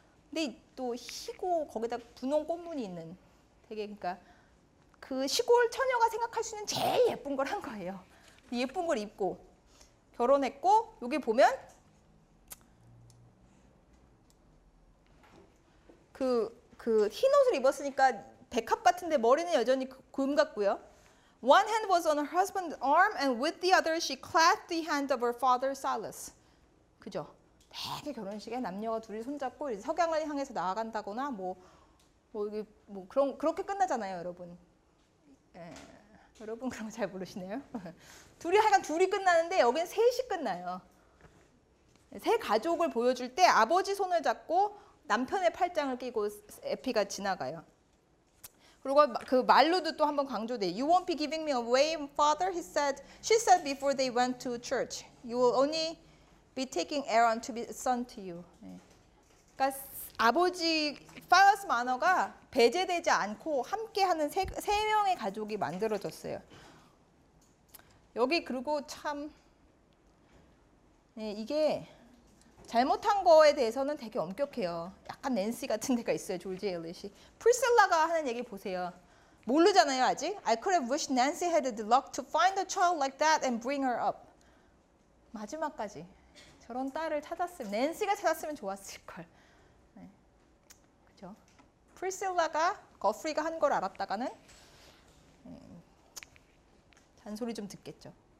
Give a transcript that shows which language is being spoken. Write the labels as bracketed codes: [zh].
[ko] 근데 또 희고 거기다 분홍 꽃무늬 있는 되게, 그러니까 그 시골 처녀가 생각할 수 있는 제일 예쁜 걸 한 거예요. 예쁜 걸 입고 결혼했고, 여기 보면 그 흰 옷을 입었으니까 백합 같은데 머리는 여전히 금 같고요. [en] One hand was on her husband's arm and with the other she clasped the hand of her father Silas. [ko] 그죠? 되게 결혼식에 남녀가 둘이 손잡고 이제 석양을 향해서 나아간다거나 뭐 그렇게 끝나잖아요, 여러분. 여러분 그런 거 잘 모르시네요. 둘이 하여간 둘이 끝나는데 여긴 셋이 끝나요. 세 가족을 보여줄 때 아버지 손을 잡고 남편의 팔짱을 끼고 에피가 지나가요. 그리고 그 말로도 또 한번 강조돼. [en] You won't be giving me away, father, he said. She said before they went to church. You will only be taking Aaron to be son to you. [ko] 그러니까 아버지 파이러스 마너가 배제되지 않고 함께하는 세 명의 가족이 만들어졌어요. 여기 그리고 참 네, 이게 잘못한 거에 대해서는 되게 엄격해요. 약간 낸시 같은 데가 있어요. 조지 엘리시. 프리셀라가 하는 얘기 보세요. 모르잖아요 아직. [en] I could have wished Nancy had the luck to find a child like that and bring her up. [ko] 마지막까지 저런 딸을 찾았으면, 낸시가 찾았으면 좋았을걸. 네. 그죠? 프리셀라가 거프리가 한 걸 알았다가는 잔소리 좀 듣겠죠.